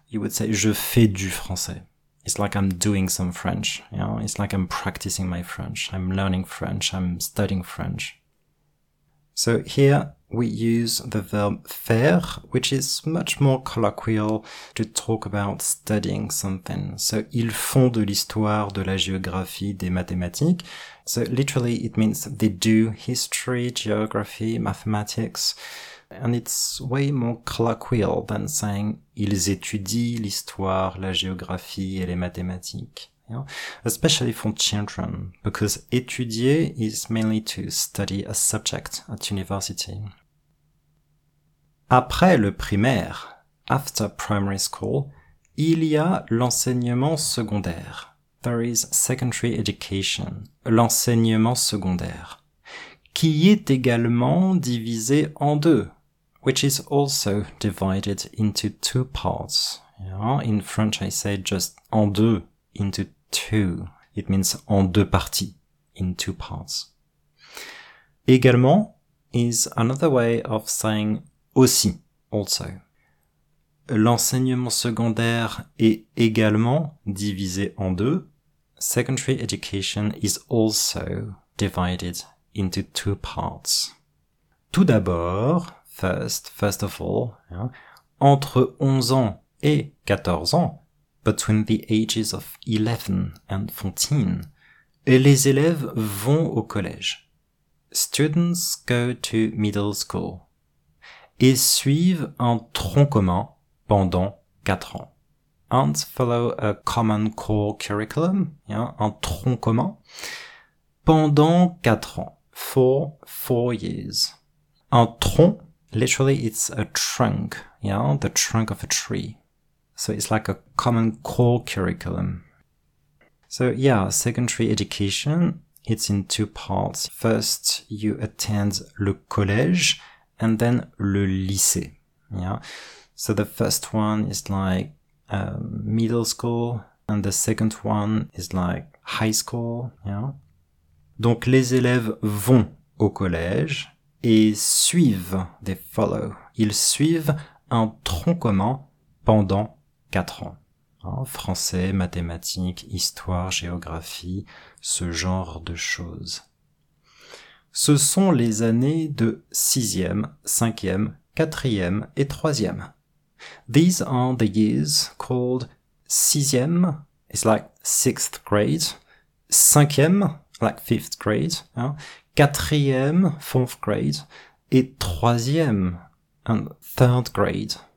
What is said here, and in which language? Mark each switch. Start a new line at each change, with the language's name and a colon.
English: You would say,
French: je fais du français.
English: It's like I'm doing some French, yeah. It's like I'm practicing my French. I'm learning French. I'm studying French. So here we use the verb faire, which is much more colloquial to talk about studying something.
French: So, ils font de l'histoire, de la géographie, des mathématiques.
English: So, literally, it means they do history, geography, mathematics. And it's way more colloquial than saying
French: ils étudient l'histoire, la géographie et les mathématiques.
English: Yeah? Especially for children, because étudier is mainly to study a subject at university.
French: Après le primaire,
English: after primary school,
French: il y a l'enseignement secondaire.
English: There is secondary education,
French: l'enseignement secondaire, qui est également divisé en deux,
English: which is also divided into two parts. Yeah? In French, I say just en deux, into two. It means en deux parties, in two parts. Également is another way of saying aussi, also.
French: L'enseignement secondaire est également divisé en deux.
English: Secondary education is also divided into two parts.
French: Tout d'abord,
English: first of all,
French: yeah, entre 11 ans et 14 ans,
English: between the ages of 11 and 14,
French: les élèves vont au collège.
English: Students go to middle school.
French: Et suivent un tronc commun pendant 4 ans.
English: And follow a common core curriculum, yeah,
French: un tronc commun, pendant 4 ans.
English: For 4 years. Un tronc, literally, it's a trunk, yeah, the trunk of a tree. So it's like a common core curriculum. So yeah, secondary education, it's in two parts. First, you attend le collège. And then le lycée, yeah. So the first one is like middle school, and the second one is like high school, yeah.
French: Donc les élèves vont au collège et suivent,
English: they follow.
French: Ils suivent un tronc commun pendant 4 ans. Hein, français, mathématiques, histoire, géographie, ce genre de choses. ce sont les années de 6e, 5e, 4e et 3e.
English: These are the years called 6e, it's like 6th grade, 5e, like 5th grade, hein, 4e, 4th grade, et 3e, and 3rd grade.